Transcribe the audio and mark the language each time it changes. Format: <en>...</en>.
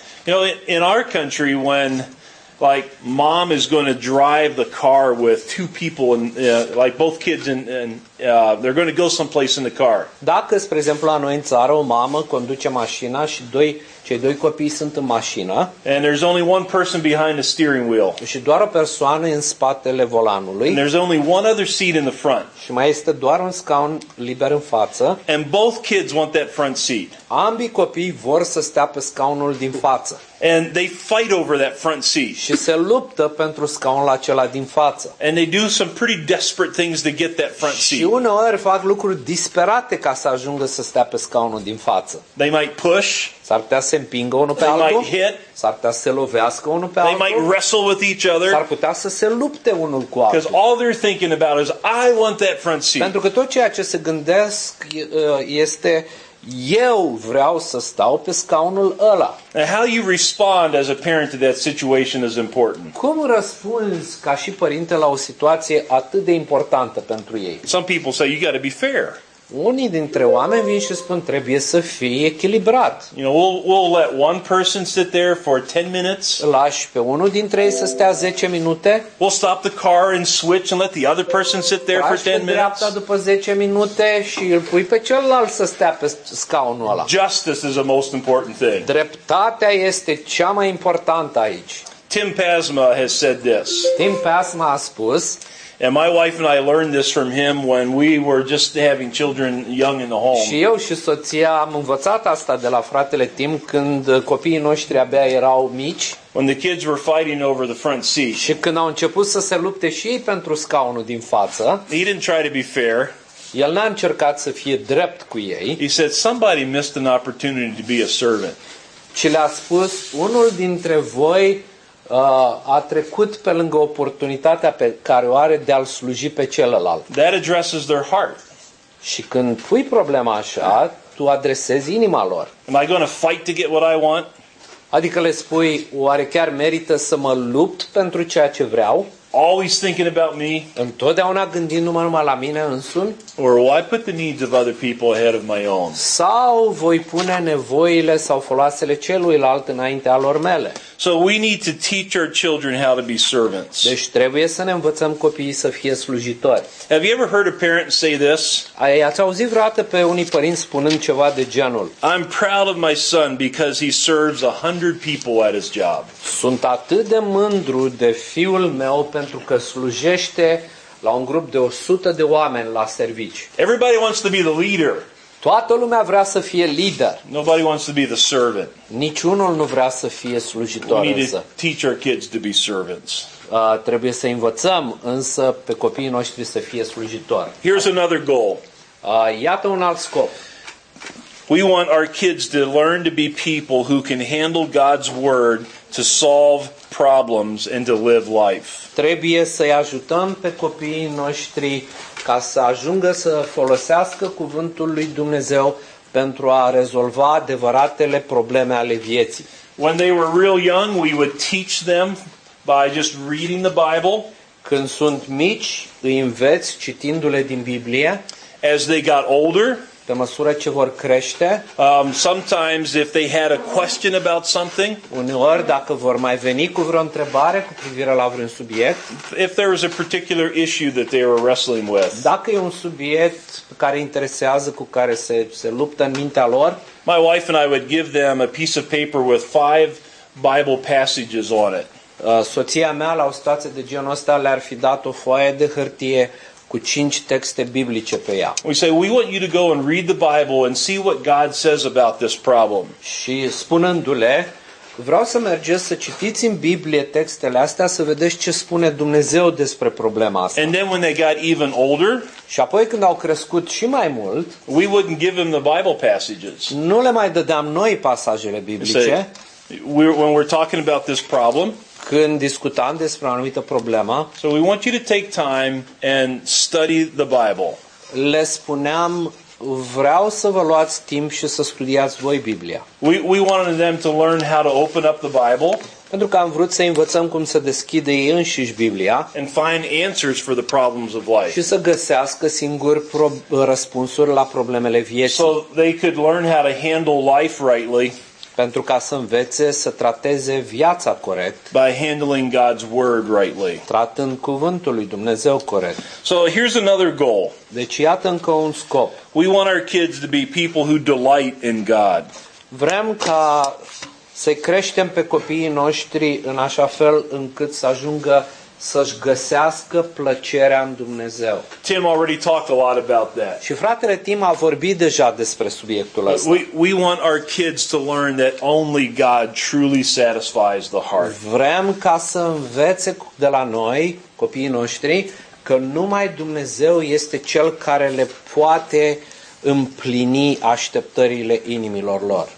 <en>You know, in our country, when like mom is going to drive the car with two people and like both kids and they're going to go someplace in the car.</en> <ro>Dacă, spre exemplu, la noi în țară, o mamă conduce mașina și cei doi copii sunt în mașină.</ro> <en>And there's only one person behind the steering wheel.</en> <ro>Și doar o persoană în spatele volanului.</ro> <en>And there's only one other seat in the front.</en> <ro>Și mai este doar un scaun liber în față.</ro> <en>And both kids want that front seat.</en> <ro>Ambii copii vor să stea pe scaunul din față.</ro> <en>And they fight over that front seat.</en> <ro>Și se luptă pentru scaunul acela din față.</ro> <en>And they do some pretty desperate things to get that front seat.</en> <ro>Și uneori fac lucruri disperate ca să ajungă să stea pe scaunul din față.</ro> <en>They might push.</en> <ro>S-ar putea să se împingă unul pe altul.</ro> <en>They might hit.</en> <ro>S-ar putea să se lovească unul pe altul.</ro> <en>They might wrestle with each other.</en> <ro>S-ar putea să se lupte unul cu altul.</ro> <en>Because all they're thinking about is I want that front seat.</en> <ro>Pentru că tot ceea ce se gândesc este eu vreau să stau pe scaunul ăla.</ro> <en>Now, how you respond as a parent to that situation is important.</en> <ro>Cum răspunzi ca și părinte la o situație atât de importantă pentru ei?</ro> <en>Some people say you got to be fair.</en> <ro>Unii dintre oameni vin și spun trebuie să fie echilibrat.</ro> <en>You know, we'll let one person sit there for 10 minutes.</en> <ro>Lași pe unul dintre ei să stea 10 minute.</ro> <en>We'll stop the car and switch and let the other person sit there for 10 minutes.</en> <ro>Lași pe dreapta după 10 minute și îl pui pe celălalt să stea pe scaunul ăla.</ro> <en>Justice is the most important thing.</en> <ro>Dreptatea este cea mai importantă aici.</ro> <en>Tim Pasma has said this.</en> <ro>Tim Pasma a spus.</ro> <en>And my wife and I learned this from him when we were just having children young in the home.</en> <ro>Și eu și soția am învățat asta de la fratele Tim când copiii noștri abia erau mici.</ro> <en>When the kids were fighting over the front seat.</en> <ro>Și când au început să se lupte și ei pentru scaunul din față.</ro> <en>He didn't try to be fair.</en> <ro>El n-a încercat să fie drept cu ei.</ro> <en>He said somebody missed an opportunity to be a servant.</en> <ro>Și le-a spus unul dintre voi a trecut pe lângă oportunitatea pe care o are de a-l sluji pe celălalt.</ro> <en>That addresses their heart.</en> <ro>Și când pui problema așa, tu adresezi inima lor.</ro> <en>Am I going to fight to get what I want?</en> <ro>Adică le spui, oare chiar merită să mă lupt pentru ceea ce vreau?</ro> <en>Always thinking about me.</en> <ro>Întotdeauna gândindu-mă numai la mine însumi.</ro> <en>Or why put the needs of other people ahead of my own?</en> <ro>Sau voi pune nevoile sau foloasele celuilalt înaintea lor mele.</ro> <en>So we need to teach our children how to be servants.</en> <ro>Deci trebuie să ne învățăm copiii să fie slujitori.</ro> <en>Have you ever heard a parent say this?</en> <ro>Ați auzit vreodată pe unii părinți spunând ceva de genul?</ro> <en>I'm proud of my son because he serves 100 people at his job.</en> <ro>Sunt atât de mândru de fiul meu pentru că slujește la un grup de 100 de oameni la servici.</ro> <en>Everybody wants to be the leader.</en> <ro>Toată lumea vrea să fie lider.</ro> <en>Nobody wants to be the servant.</en> <ro>Niciunul nu vrea să fie slujitor.</ro> <en>We need to teach our kids to be servants.</en> <ro>Trebuie să învățăm însă pe copiii noștri să fie slujitori.</ro> <en>Here's another goal.</en> <ro>Iată un alt scop.</ro> <en>We want our kids to learn to be people who can handle God's word to solve problems and to live life.</en> <ro>Trebuie să-i ajutăm pe copiii noștri ca să ajungă să folosească cuvântul lui Dumnezeu pentru a rezolva adevăratele probleme ale vieții.</ro> <en>When they were real young, we would teach them by just reading the Bible.</en> <ro>Când sunt mici, îi înveți citindu-le din Biblie.</ro> <en>As they got older,</en> <ro>pe măsură ce vor crește,</ro> <en>sometimes if they had a question about something,</en> <ro>uneori dacă vor mai veni cu vreo întrebare cu privire la vreun subiect,</ro> <en>if there was a particular issue that they were wrestling with,</en> <ro>dacă e un subiect pe care interesează, cu care se luptă în mintea lor,</ro> <en>my wife and I would give them a piece of paper with 5 Bible passages on it.</en> <ro>Soția mea la o situație de genul ăsta le-ar fi dat o foaie de hârtie cu 5 texte biblice pe ea.</ro> <en>We say we want you to go and read the Bible and see what God says about this problem.</en> <ro>Și spunându-le, vreau să mergeți să citiți în Biblie textele astea să vedeți ce spune Dumnezeu despre problema asta.</ro> <en>And then when they got even older,</en> <ro>și apoi când au crescut și mai mult,</ro> <en>we wouldn't give them the Bible passages.</en> <ro>Nu le mai dădeam noi pasajele biblice.</ro> <en>We say, when we're talking about this problem,</en> <ro>când discutam despre o anumită problemă,</ro> <en>so we want you to take time and study the Bible.</en> <ro>Le spuneam, vreau să vă luați timp și să studiați voi Biblia.</ro> <en>We wanted them to learn how to open up the Bible.</en> <ro>Pentru că am vrut să învățăm cum să deschidă ei înșiși Biblia.</ro> <en>And find answers for the problems of life.</en> <ro>Și să găsească singur răspunsuri la problemele vieții.</ro> <en>So they could learn how to handle life rightly.</en> <ro>Pentru ca să învețe să trateze viața corect.</ro> <en>By handling God's word rightly.</en> <ro>Tratând cuvântul lui Dumnezeu corect.</ro> <en>So here's another goal.</en> <ro>Deci iată încă un scop.</ro> <en>We want our kids to be people who delight in God.</en> <ro>Vrem ca să-i creștem pe copiii noștri în așa fel încât să ajungă să-și găsească plăcerea în Dumnezeu.</ro> <en>Tim already talked a lot about that.</en> <ro>Și fratele Tim a vorbit deja despre subiectul ăsta.</ro> <en>We want our kids to learn that only God truly satisfies the heart.</en> <ro>Vrem ca să învețe de la noi, copiii noștri, că numai Dumnezeu este cel care le poate împlini așteptările inimilor lor.</ro>